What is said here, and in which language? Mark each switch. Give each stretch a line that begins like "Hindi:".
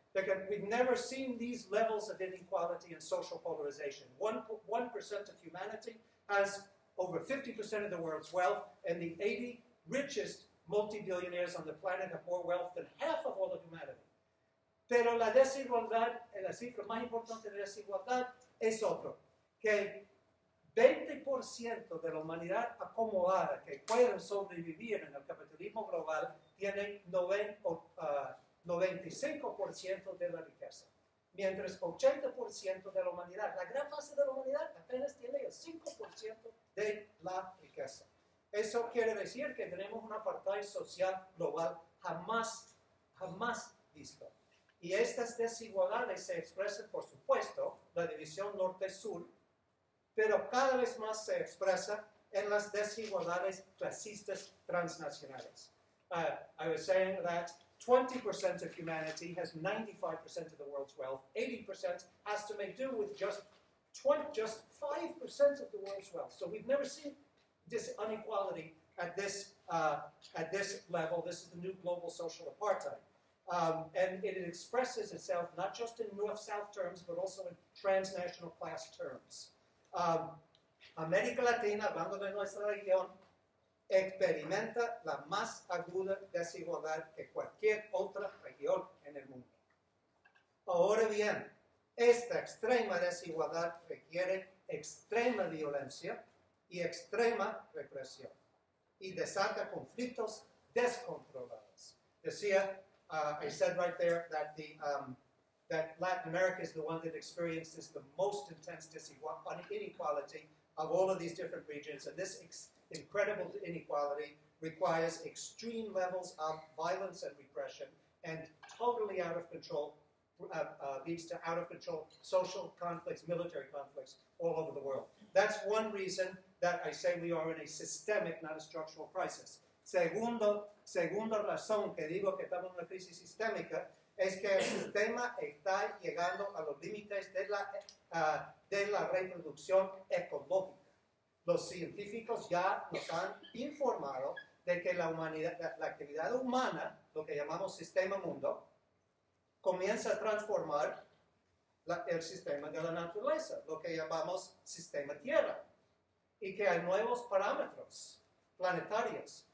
English: Because we've never seen these levels of inequality and social polarization. 1% of humanity has over 50% of the world's wealth, and the 80 richest multibillionaires on the planet have more wealth than half of all of humanity.
Spanish: Pero la desigualdad, la cifra más importante de desigualdad es otro, que 20% de la humanidad acomodada que puede sobrevivir en el capitalismo global tiene 95% de la riqueza, mientras 80% de la humanidad, la gran fase de la humanidad, apenas tiene el 5% de la riqueza. Eso quiere decir que tenemos un apartheid social global jamás visto. Y estas desigualdades se expresan, por supuesto, la división norte-sur, pero cada vez más se expresa en las desigualdades clasistas transnacionales.
English: I was saying that 20% of humanity has 95% of the world's wealth. 80% has to make do with just 5% of the world's wealth. So we've never seen this inequality at this level. This is the new global social apartheid. And it expresses itself not just in North-South terms, but also in transnational class terms.
Spanish: América Latina, hablando de nuestra región, experimenta la más aguda desigualdad que cualquier otra región en el mundo. Ahora bien, esta extrema desigualdad requiere extrema violencia y extrema represión y desata conflictos descontrolados. Decía,
English: I said right there that that Latin America is the one that experiences the most intense inequality of all of these different regions, and this incredible inequality requires extreme levels of violence and repression, and totally out of control leads to out of control social conflicts, military conflicts all over the world. That's one reason that I say we are in a systemic, not a structural crisis.
Spanish: Segunda razón que digo que estamos en una crisis sistémica es que el sistema está llegando a los límites de la reproducción ecológica. Los científicos ya nos han informado de que la humanidad, la actividad humana, lo que llamamos sistema mundo, comienza a transformar el sistema de la naturaleza, lo que llamamos sistema tierra, y que hay nuevos parámetros planetarios.